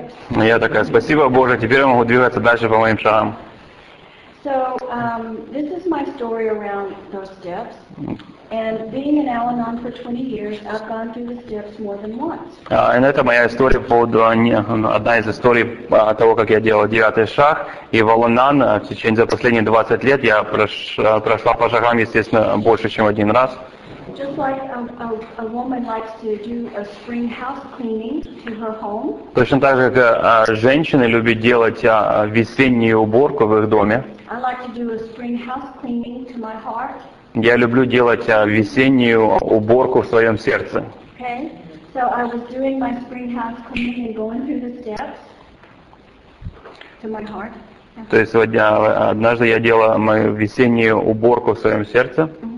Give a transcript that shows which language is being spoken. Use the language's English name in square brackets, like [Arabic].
[Russian] Я такая, спасибо, Боже, теперь я могу двигаться дальше по моим шагам. [English] So, this is my story around those steps. And being in Al-Anon for 20 years, I've gone through the steps more than once. [Russian] And это моя история по поводу, одна из историй того, как я делал девятый шаг. И в Al-Anon в течение за последние 20 лет я прошла по шагам, естественно, больше, чем один раз. [English] Just like a woman likes to do a spring house cleaning to her home. [Russian] Точно так же, как женщины любят делать весеннюю уборку в их доме. [English] I like to do a spring house cleaning to my heart. [Russian] Я люблю делать весеннюю уборку в своем сердце. [English] Okay. So I was doing my spring house cleaning and going through the steps to my heart. [Russian] То есть сегодня однажды я делала мою весеннюю уборку в своем сердце.